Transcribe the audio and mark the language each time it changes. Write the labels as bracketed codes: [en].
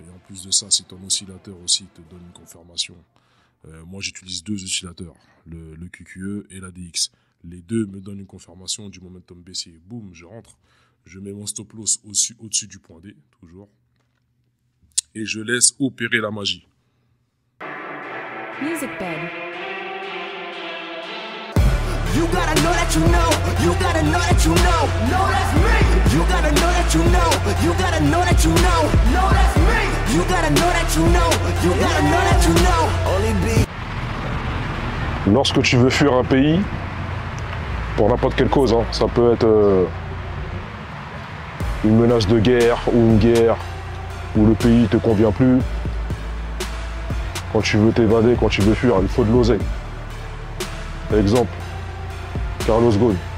[fr] Et en plus de ça, si ton oscillateur aussi te donne une confirmation, moi j'utilise deux oscillateurs, le QQE et l'ADX. Les deux me donnent une confirmation du momentum baissier. Boum, je rentre. Je mets mon stop loss au-dessus du point D, toujours. Et je laisse opérer la magie. Music bed. [en] You gotta know that you know. You gotta know that you know. No, that's me. You gotta know that you know. You gotta know that you know. No, that's me. You gotta know that you know. You gotta know that you know. Only be. [fr] Lorsque tu veux fuir un pays, pour n'importe quelle cause, hein, ça peut être une menace de guerre ou une guerre où le pays te convient plus. Quand tu veux t'évader, quand tu veux fuir, il faut de l'oseille. Exemple, Carlos Ghosn.